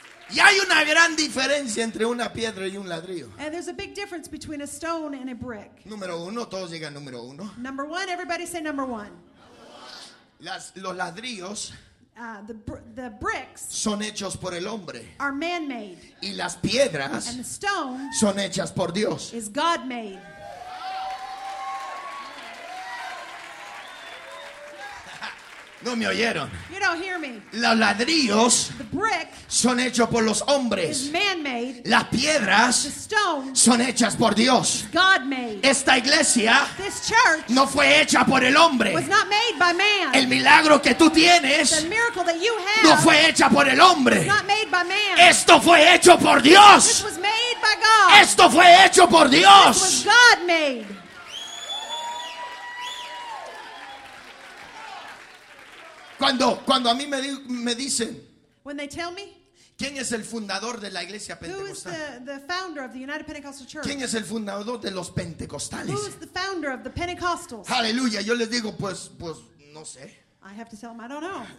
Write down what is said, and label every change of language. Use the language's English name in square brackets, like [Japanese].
[Spanish] Y hay una gran diferencia entre una piedra y un ladrillo. [English] And there's a big difference between a stone and a brick. [Spanish] Número uno, todos digan número uno. [English] Number one, everybody say number one. [Spanish] Los ladrillos. [English] The bricks. [Spanish] Son hechos por el hombre. [English] Are man-made. [Spanish] Y las piedras. [English] And the stone. [Spanish] Son hechas por Dios. [English] Is God-made. [Spanish] No me oyeron. [English] You don't hear me. [Spanish] Los ladrillos, [English] the brick, [Spanish] son hechos por los hombres. [English] Is man-made. [Spanish] Las piedras, [English] the stone, [Spanish] son hechas por Dios. [English] God-made. [Spanish] Esta iglesia, [English] this church, [Spanish] no fue hecha por el hombre. [English] Was not made by man. [Spanish] El milagro que tú tienes, [English] the miracle that you have, [Spanish] no fue hecha por el hombre. [English] Was not made by man. [Spanish] Esto fue hecho por Dios. [English] This was made by God. [Spanish] Esto fue hecho por Dios. [English] This was God-made. [Spanish] Cuando a mí me dicen, [English] when they tell me, [Spanish] ¿quién es el fundador de la iglesia pentecostal? [English] Who is the founder of the United Pentecostal Church? [Spanish] ¿Quién es el fundador de los pentecostales? [English] Who is the founder of the Pentecostals? [Spanish] Aleluya, yo les digo, pues no sé. [English] I have to tell them I don't know.